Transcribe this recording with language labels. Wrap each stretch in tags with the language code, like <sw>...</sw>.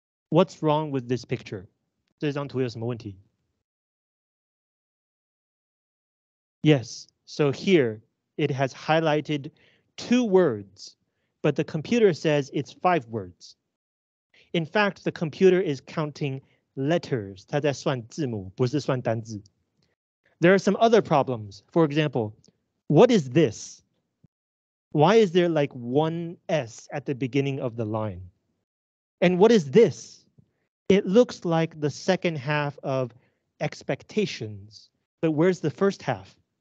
<en>What's wrong with this picture?</en> <zh>这张图有什么问题?</zh> <en>Yes, so here it has highlighted 2 words, but the computer says it's 5 words. In fact, the computer is counting letters.</en> <zh>它在算字母，不是算单字。</zh> <en>There are some other problems. For example, what is this? Why is there like one S at the beginning of the line? And what is this? It looks like the second half of expectations, but where's the first half?</en>